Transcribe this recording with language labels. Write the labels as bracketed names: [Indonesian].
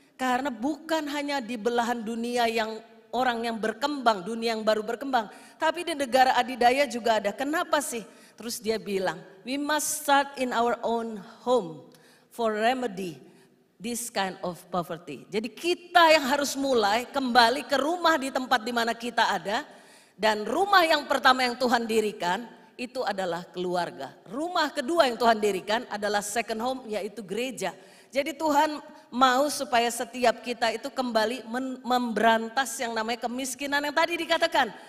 [Indonesian] Karena bukan hanya di belahan dunia yang orang yang berkembang, dunia yang baru berkembang. Tapi di negara adidaya juga ada, kenapa sih? Terus dia bilang, [English] "We must start in our own home for remedy this kind of poverty." [Indonesian] Jadi kita yang harus mulai kembali ke rumah di tempat di mana kita ada. Dan rumah yang pertama yang Tuhan dirikan itu adalah keluarga. Rumah kedua yang Tuhan dirikan adalah [English] second home, [Indonesian] yaitu gereja. Jadi Tuhan mau supaya setiap kita itu kembali memberantas yang namanya kemiskinan yang tadi dikatakan.